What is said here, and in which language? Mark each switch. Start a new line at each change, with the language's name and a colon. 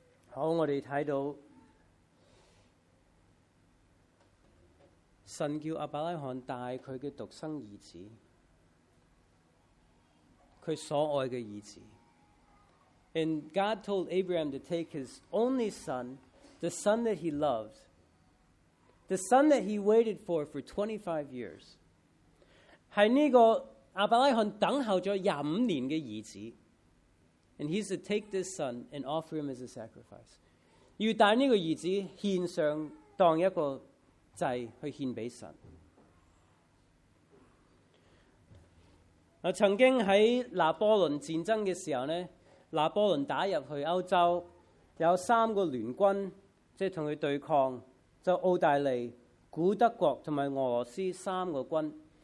Chinese: 好，我们看到神叫亚伯拉罕带他的独生儿子，他所爱的儿子。
English: And God told Abraham to take his only son, the son that he loved, the son that he waited for 25 years.
Chinese: 是这个亚伯拉罕等候了25年的儿子。
English: And he's to take this son and offer him as a sacrifice.
Chinese: 要带这个儿子献上，当一个祭去献给神。曾经在拿破仑战争的时候，拿破仑打入去欧洲，有三个联军即跟他对抗，就奥地利、古德国和俄罗斯三个军。